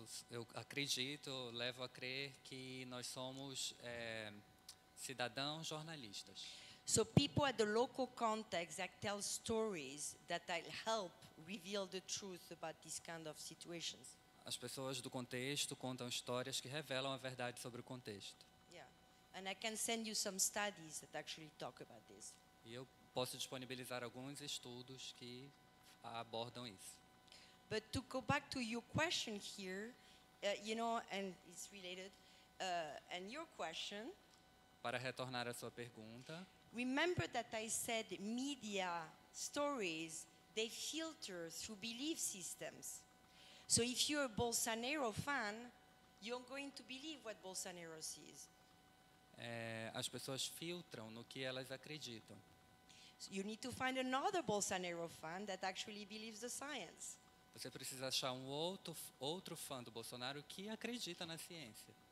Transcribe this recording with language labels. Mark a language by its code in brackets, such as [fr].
[pt] Eu acredito, levo a crer que nós somos cidadãos jornalistas. [en] So people at the local context that tell stories that help reveal the truth about this kind of situations. [pt] As pessoas do contexto contam histórias que revelam a verdade sobre o contexto. [en] Yeah, and I can send you some studies that actually talk about this. [pt] E eu posso disponibilizar alguns estudos que abordam isso. [en] But to go back to your question here, you know, and it's related, and your question. [pt] Para retornar à sua pergunta. [en] Remember that I said media stories, they filter through belief systems. So if you're a Bolsonaro fan, you're going to believe what Bolsonaro sees. [pt] As pessoas filtram no que elas acreditam. [en] You need to find another Bolsonaro fan that actually believes the science. [pt] Você precisa achar um outro fã do Bolsonaro que acredita na ciência.